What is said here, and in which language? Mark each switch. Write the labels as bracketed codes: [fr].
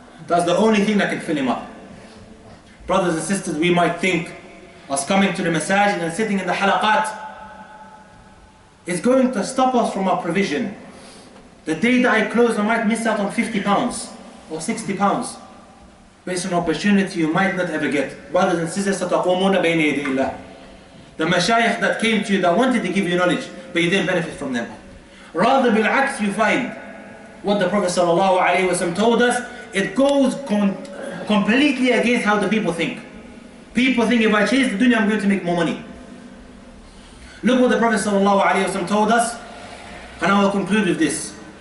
[en] That's the only thing that can fill him up. Brothers and sisters, we might think, us coming to the masajid and sitting in the halaqat, is going to stop us from our provision. The day that I close, I might miss out on 50 pounds. Or 60 pounds. Based on an opportunity you might not ever get. Brothers and sisters, [ar] ستقومون بين يدي الله. [en] The mashayikh that came to you, that wanted to give you knowledge, but you didn't benefit from them. Rather, بالعكس, you find what the Prophet sallallahu alaihi wasallam told us, it goes completely against how the people think. People think, if I change the dunya, I'm going to make more money. Look what the Prophet sallallahu alaihi wasallam told us, and I will conclude with this.